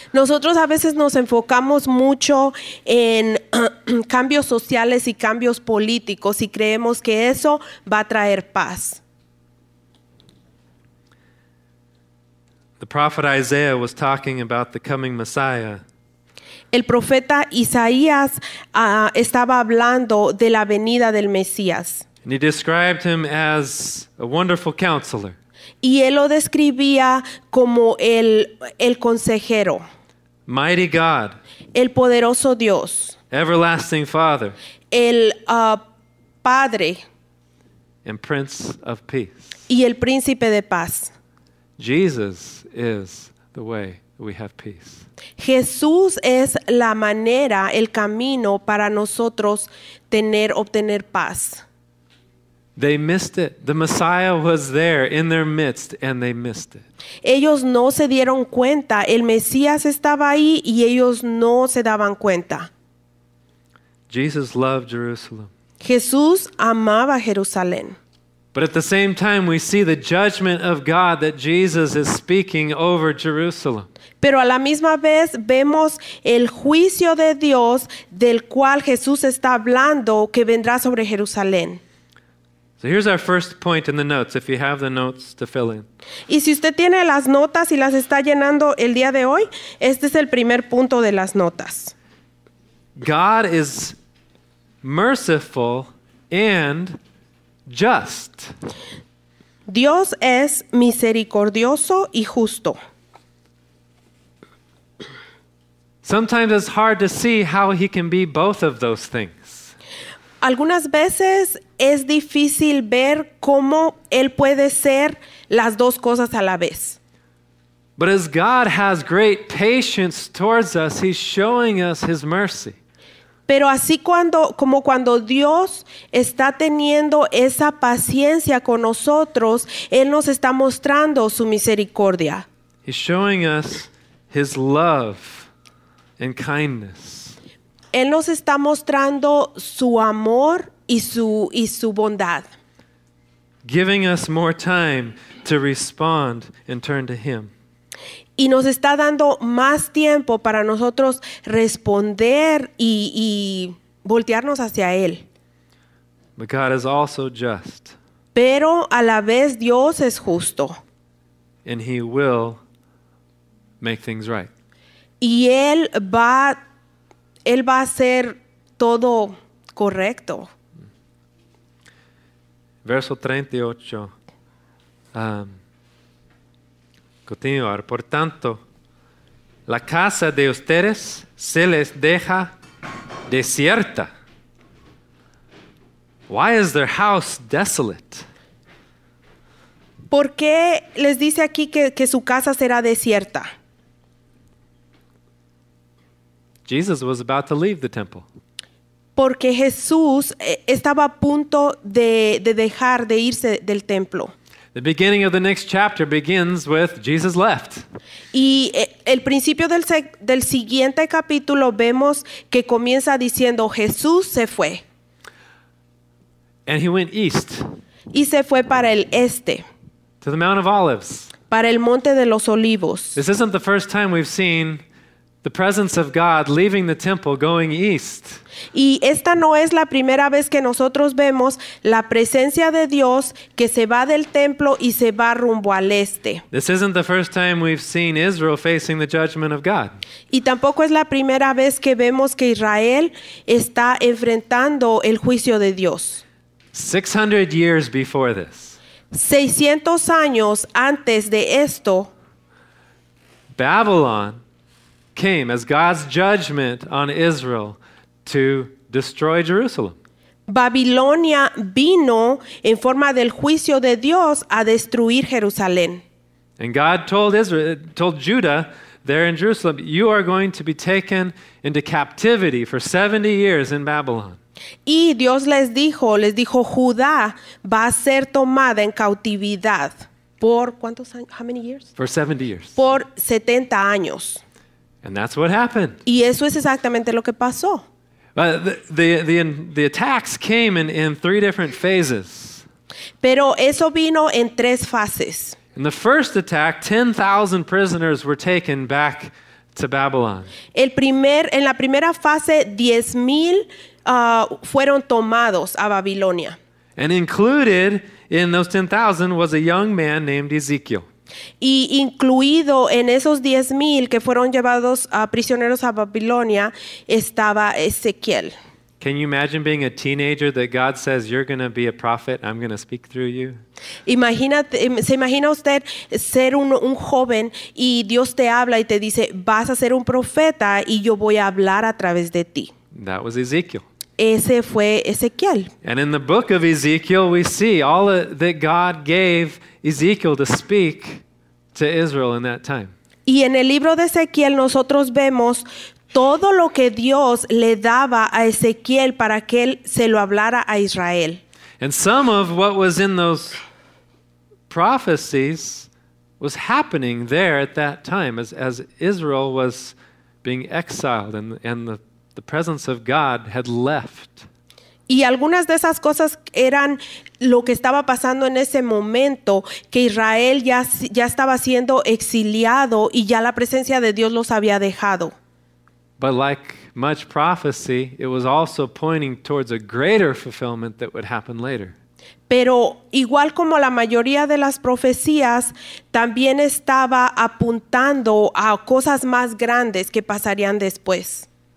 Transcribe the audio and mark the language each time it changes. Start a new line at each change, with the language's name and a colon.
Spanish: Nosotros a veces nos enfocamos mucho en cambios sociales y cambios políticos y creemos que eso va a traer paz.
English: The prophet Isaiah was talking about the coming Messiah.
Spanish: El profeta Isaías estaba hablando de la venida del Mesías.
English: And he described him as a wonderful counselor.
Spanish: Y él lo describía como el consejero.
English: Mighty God.
Spanish: El poderoso Dios.
English: Everlasting Father.
Spanish: El Padre.
English: And Prince of Peace.
Spanish: Y el Príncipe de Paz.
English: Jesus is the way we have peace.
Spanish: Jesús es la manera, el camino para nosotros obtener paz.
English: They missed it. The Messiah was there in their midst and they missed it.
Spanish: Ellos no se dieron cuenta. El Mesías estaba ahí y ellos no se daban cuenta.
English: Jesus loved Jerusalem.
Spanish: Jesús amaba Jerusalén.
English: But at the same time, we see the judgment of God that Jesus is speaking over Jerusalem.
Spanish: Pero a la misma vez vemos el juicio de Dios del cual Jesús está hablando que vendrá sobre Jerusalén.
English: So here's our first point in the notes, if you have the notes to fill in.
Spanish: Y si usted tiene las notas y las está llenando el día de hoy, este es el primer punto de las notas.
English: God is merciful and just.
Spanish: Dios es misericordioso y justo.
English: Sometimes it's hard to see how he can be both of those things.
Spanish: Algunas veces es difícil ver cómo él puede ser las dos cosas a la vez.
English: But as God has great patience towards us, he's showing us his mercy.
Spanish: Pero así cuando Dios está teniendo esa paciencia con nosotros, Él nos está mostrando su misericordia.
English: He's showing us his love and kindness.
Spanish: Él nos está mostrando su amor y su bondad.
English: Giving us more time to respond and turn to him.
Spanish: Y nos está dando más tiempo para nosotros responder y voltearnos hacia Él.
English: But God is also just.
Spanish: Pero a la vez Dios es justo.
English: And he will make things right.
Spanish: Y Él va a hacer todo correcto. Verso 38. Continuar. Por tanto, la casa de ustedes se les deja desierta.
English: Why is their house desolate?
Spanish: ¿Por qué les dice aquí que su casa será desierta?
English: Jesus was about to leave the temple.
Spanish: Porque Jesús estaba a punto de irse del templo.
English: The beginning of the next chapter begins with Jesus left.
Spanish: Y el principio del siguiente capítulo vemos que comienza diciendo Jesús se fue.
English: And he went east.
Spanish: Y se fue para el este.
English: To the Mount of Olives.
Spanish: Para el Monte de los Olivos.
English: This isn't the first time we've seen the presence of God leaving the temple, going east.
Spanish: Y esta no es la primera vez que nosotros vemos la presencia de Dios que se va del templo y se va rumbo al este.
English: This isn't the first time we've seen Israel facing the judgment of God.
Spanish: Y tampoco es la primera vez que vemos que Israel está enfrentando el juicio de Dios.
English: 600 years before this.
Spanish: 600 años antes de esto.
English: Babylon came as God's judgment on Israel to destroy Jerusalem.
Spanish: Babilonia vino en forma del juicio de Dios a destruir Jerusalén.
English: And God told Judah there in Jerusalem, you are going to be taken into captivity for 70 years in Babylon.
Spanish: Y Dios les dijo, Judá va a ser tomada en cautividad por ¿cuántos años?
English: How many years? For 70 years.
Spanish: Por 70 años.
English: And that's what happened.
Spanish: Y eso es exactamente lo que pasó.
English: The attacks came in three different phases.
Spanish: Pero eso vino en tres fases.
English: In the first attack, 10,000 prisoners were taken back to Babylon.
Spanish: En la primera fase, 10,000 fueron tomados a Babilonia.
English: And included in those 10,000 was a young man named Ezekiel.
Spanish: Y incluido en esos 10,000 que fueron llevados a prisioneros a Babilonia estaba Ezequiel.
English: Can you imagine being a teenager that God says you're going to be a prophet, I'm going to speak through you?
Spanish: ¿Se imagina usted ser un joven y Dios te habla y te dice vas a ser un profeta y yo voy a hablar a través de ti?
English: That was Ezekiel.
Spanish: Ese fue Ezequiel.
English: And in the book of Ezekiel we see all that God gave Ezekiel to speak to Israel in that time.
Spanish: Y en el libro de Ezequiel nosotros vemos todo lo que Dios le daba a Ezequiel para que él se lo hablara a Israel.
English: And some of what was in those prophecies was happening there at that time as Israel was being exiled and the presence of God had left.
Spanish: Y algunas de esas cosas eran lo que estaba pasando en ese momento, que Israel ya estaba siendo exiliado y ya la presencia de Dios los había dejado.
English: But like much prophecy, it was also pointing towards a greater fulfillment that would happen later.
Spanish: Pero igual como la mayoría de las profecías, también estaba apuntando a cosas más grandes que pasarían después.